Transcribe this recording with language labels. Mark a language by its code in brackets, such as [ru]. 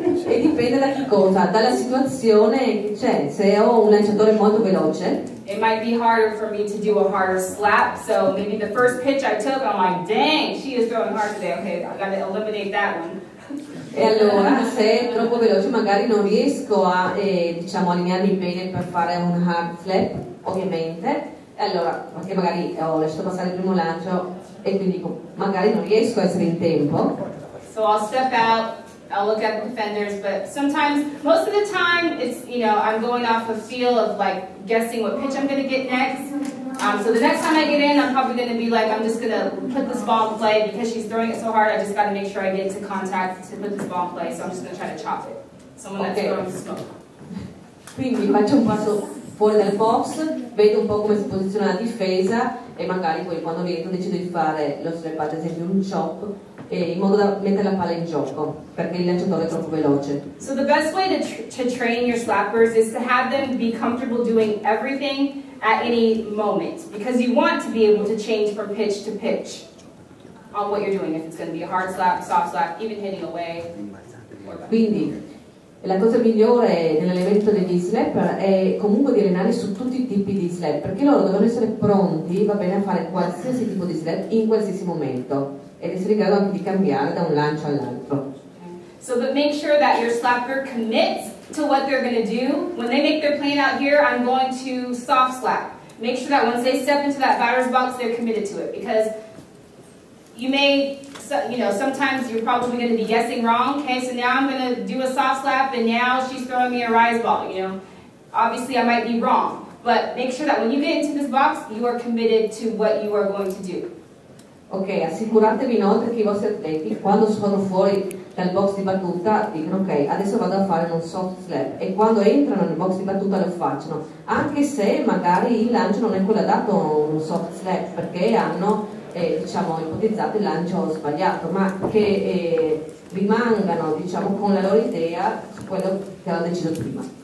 [it] E dipende da che cosa, dalla situazione che c'è. Se ho un lanciatore molto veloce, [en] it might be harder for me to do a harder slap. So maybe the first pitch I took, I'm like, dang, she is throwing hard today. Okay, I got to eliminate that one. [it] E allora, se è troppo veloce, magari non riesco a diciamo allinearmi bene per fare un hard slap, ovviamente. Allora, perché magari ho lasciato passare il primo lancio e quindi dico, magari non riesco a essere in tempo. [en] So I'll step out, I'll look at the defenders, but sometimes, most of the time, it's, you know, I'm going off a feel of like guessing what pitch I'm going to get next. So the next time I get in, I'm probably going to be like, I'm just going to put this ball in play because she's throwing it so hard, I just got to make sure I get to contact to put this ball in play, so I'm just going to try to chop it. Someone that's throwing the smoke. [it] Quindi faccio un passo fuori dal box, vedo un po' come si posiziona la difesa e magari poi quando rientro decido di fare lo slap, ad esempio un chop, in modo da mettere la palla in gioco perché il lanciatore è troppo veloce. [en] So the best way to train your slappers is to have them be comfortable doing everything at any moment because you want to be able to change from pitch to pitch on what you're doing, if it's going to be a hard slap, soft slap, even hitting away. [it] Quindi la cosa migliore nell'allenamento degli slapper è comunque di allenare su tutti i tipi di slap, perché loro devono essere pronti, va bene, a fare qualsiasi tipo di slap in qualsiasi momento ed essere in grado anche di cambiare da un lancio all'altro. [en] So, but make sure that your slapper commits to what they're going to do. When they make their plan out here, I'm going to soft slap. Make sure that once they step into that batter's box, they're committed to it, because you may, you know, sometimes you're probably going to be guessing wrong. Okay, so now I'm going to do a soft slap, and now she's throwing me a rise ball. You know, obviously I might be wrong, but make sure that when you get into this box, you are committed to what you are going to do. [it] Okay, assicuratevi inoltre che i vostri atleti, quando sono fuori dal box di battuta, dicono ok, adesso vado a fare un soft slap, e quando entrano nel box di battuta lo facciano, anche se magari il lancio non è quello adatto a un soft slap, perché hanno diciamo ipotizzato il lancio sbagliato, ma che rimangano diciamo con la loro idea su quello che hanno deciso prima.